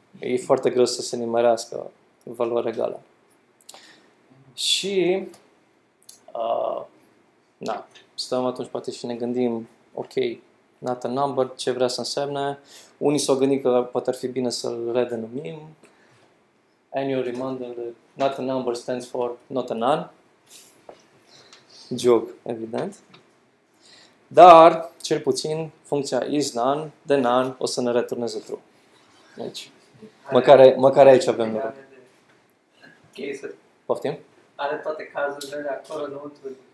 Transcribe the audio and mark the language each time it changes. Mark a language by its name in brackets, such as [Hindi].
[Romanian] E foarte greu să se nimerească valoare egală. Și, da, stăm atunci, poate și ne gândim, ok, not a number, ce vrea să însemne. Unii s-au gândit că poate ar fi bine să-l redenumim. [English] Annual reminder, not a number stands for not a none. [Romanian] Joke, evident. Dar, cel puțin, funcția is none, de none, o să ne returneze true. Deci, măcar aici avem lucru. Are de... Poftim? Are toate cazurile acolo înăuntru.